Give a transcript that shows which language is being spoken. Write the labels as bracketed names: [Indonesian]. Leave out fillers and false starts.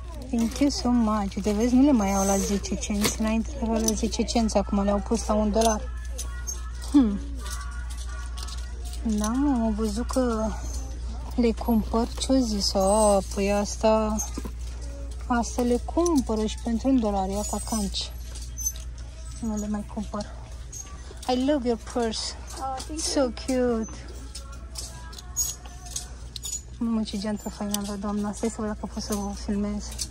[English] Thank you so much. [Romanian] De vezi, nu le mai iau la 10 cenți. Înainte le iau la 10 cenți, acum le-au pus la $1. Da, mă, am văzut că le cumpăr, ce-o zis? Oh, păi asta le cumpără și pentru $1, iată canci. Nu le mai cumpăr. [English] I love your purse. Oh, so cute. [Romanian] Mamă, ce geantă faină am vrea, doamna. Stai să văd dacă pot să o filmez.